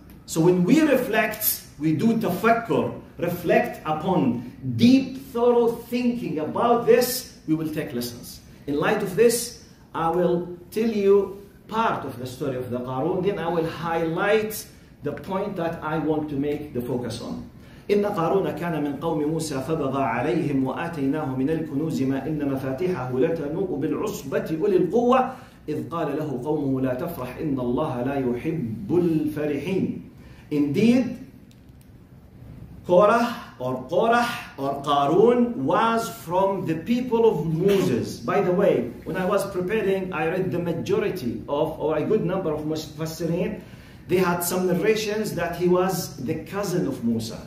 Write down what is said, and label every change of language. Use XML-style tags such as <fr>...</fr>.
<en>So when we reflect, we do tafakkur, reflect upon deep, thorough thinking about this, we will take lessons. In light of this, I will tell you part of the story of the Qarun, then I will highlight the point that I want to make the focus on.</en> <ar>إن قارون كان من قوم موسى فبغى عليهم وآتيناه من الكنوز ما إن مفاتيحه لتنوء بالعصبة أولي القوة إذ قال له قومه لا تفرح إن الله لا يحب الفرحين.</ar> <en>Indeed, Korah or Korah or Qarun was from the people of Moses. By the way, when I was preparing, I read the majority of, or a good number of Mufassirin. They had some narrations that he was the cousin of Musa.</en>